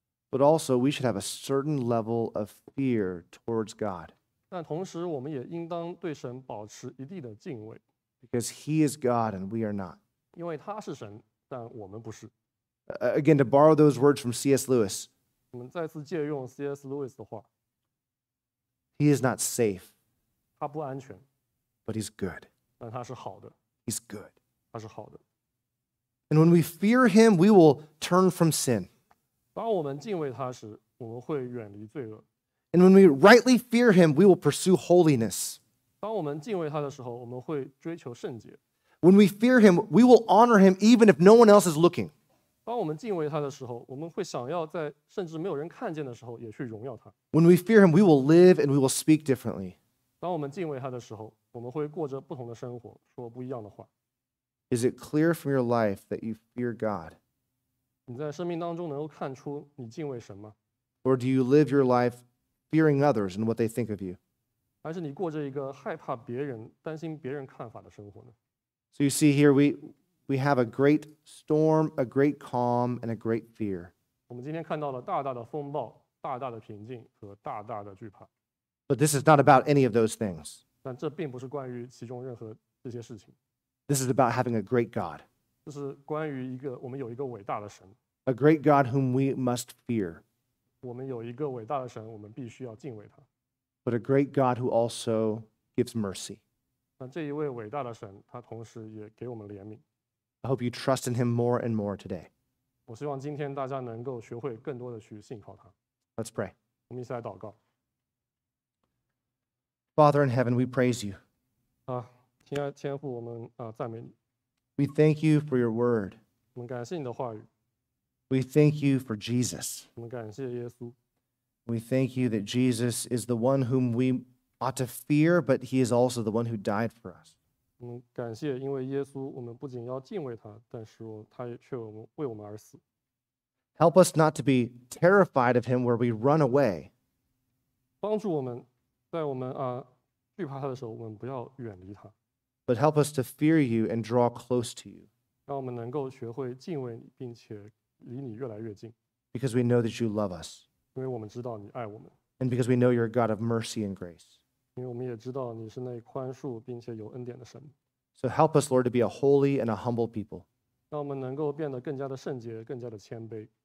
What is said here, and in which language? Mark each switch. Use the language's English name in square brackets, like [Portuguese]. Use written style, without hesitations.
[English] But also, we should have a certain level of fear towards God. [Chinese] 但同时，我们也应当对神保持一定的敬畏。 [English] Because he is God and we are not. [Chinese] 因为他是神，但我们不是。 [English] Again, to borrow those words from C.S. Lewis. [Chinese] 我们再次借用 C.S. Lewis 的话。 [English] He is not safe. [Chinese] 他不安全。 [English] But he's good. [Chinese] 但他是好的。 [English] He's good. [Chinese] 他是好的。 [English] And when we fear him, we will turn from sin. [Chinese] 当我们敬畏他时，我们会远离罪恶。 [English] And when we rightly fear him, we will pursue holiness. [Chinese] 当我们敬畏他的时候，我们会追求圣洁。 [English] When we fear him, we will honor him even if no one else is looking. [Chinese] 当我们敬畏他的时候，我们会想要在甚至没有人看见的时候也去荣耀他。 [English] When we fear him, we will live and we will speak differently. [Chinese] 当我们敬畏他的时候，我们会过着不同的生活，说不一样的话。 [English] Is it clear from your life that you fear God? [Chinese] 你在生命当中能够看出你敬畏神吗？ [English] Or do you live your life fearing others and what they think of you? [Chinese] 还是你过着一个害怕别人、担心别人看法的生活呢？ [English] So you see here, we have a great storm, a great calm, and a great fear. [Chinese] 我们今天看到了大大的风暴、大大的平静和大大的惧怕。 [English] But this is not about any of those things. [Chinese] 但这并不是关于其中任何这些事情。 [English] This is about having a great God. [Chinese] 这是关于一个我们有一个伟大的神。 [English] A great God whom we must fear. [Chinese] 我们有一个伟大的神，我们必须要敬畏他。 [English] But a great God who also gives mercy. [Chinese] 那这一位伟大的神，他同时也给我们怜悯。 [English] I hope you trust in him more and more today. [Chinese] 我希望今天大家能够学会更多的去信靠他。 [English] Let's pray. [Chinese] 我们一起来祷告。 [English] Father in heaven, we praise you. [Chinese] 啊，亲爱天父，我们啊赞美你。 [English] We thank you for your word. [Chinese] 我们感谢你的话语。 [English] We thank you for Jesus. [Chinese] 我们感谢耶稣。 [English] We thank you that Jesus is the one whom we ought to fear, but he is also the one who died for us. [Chinese] 我们感谢，因为耶稣，我们不仅要敬畏他，但是他却为我们而死。 [English] Help us not to be terrified of him where we run away. [Chinese] 帮助我们，在我们惧怕他的时候，我们不要远离他。 [English] But help us to fear you and draw close to you. [Chinese] 让我们能够学会敬畏你，并且离你越来越近。 [English] Because we know that you love us. [Chinese] 因为我们知道你爱我们。 [English] And because we know you're a God of mercy and grace. [Chinese] 因为我们也知道你是那宽恕并且有恩典的神。 [English] So help us, Lord, to be a holy and a humble people. [Chinese] 让我们能够变得更加的圣洁，更加的谦卑。